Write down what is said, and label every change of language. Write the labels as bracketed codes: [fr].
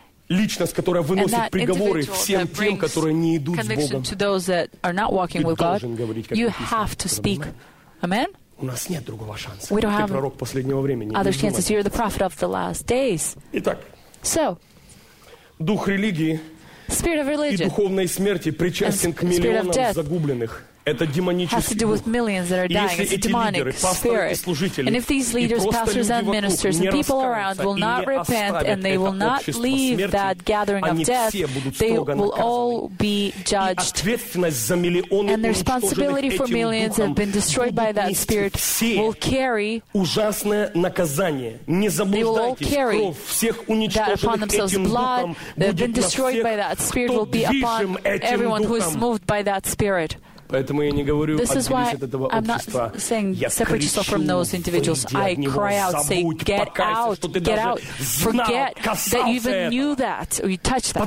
[ru] Личность, которая выносит приговоры всем тем, которые не идут с Богом. [en] To those that are not walking with God, you have to speak. Amen. [ru] У нас нет другого шанса. Ты пророк последнего времени. [en] Other chances. You're the prophet of the last days. [ru] Итак. [en] So. [ru] Дух религии. [en] Spirit of religion. [ru] И духовной смерти причастен к миллионам загубленных. Это демонический дух. [en] Has to do with millions that are dying. It's a demonic spirit. And if these leaders, pastors and ministers and people around will not repent and they will not leave that gathering of death, they will all be judged. And the responsibility for millions that have been destroyed by that spirit will carry [ru] ужасное наказание. Не заблуждайтесь. [en] That upon themselves blood that have been destroyed by that spirit will be upon everyone who is moved by that spirit. [ru] Поэтому я не говорю отделись от этого общества. [en] I'm not saying separate yourself from those individuals. I cry out, say, get out, get out. Forget that you even knew that or you touched that.